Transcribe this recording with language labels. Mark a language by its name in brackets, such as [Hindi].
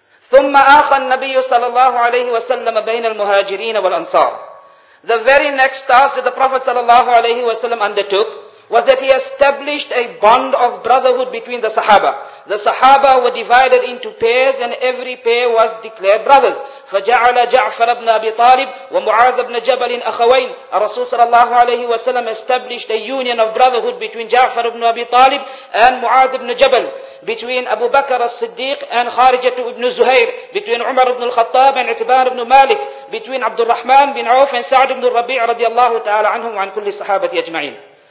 [Arabic] ثُمَّ آخَ النَّبِيُّ صَلَى اللَّهُ عَلَيْهِ وَسَلَّمَ بَيْنَ الْمُهَاجِرِينَ وَالْأَنصَارِ. [English] The very next task that the Prophet sallallahu alayhi wa sallam undertook was that he established a bond of brotherhood between the Sahaba. The Sahaba were divided into pairs and every pair was declared brothers. [Arabic] فَجَعَلَ جَعْفَرَ بْنَ أَبِي طَالِبٍ وَمُعَاذَ بْنَ جَبَلٍ أَخَوَيْنِ. [English] Rasul sallallahu alayhi wa sallam established a union of brotherhood between Ja'far ibn Abi Talib and Mu'adh ibn Jabal, between Abu Bakr as-Siddiq and Kharijat ibn Zuhair, between Umar ibn al-Khattab and Itbar ibn Malik, between Abdul Rahman bin Auf and Sa'd ibn al-Rabi' [Arabic] radiallahu ta'ala anhum wa an kulli sahabati ajma'in.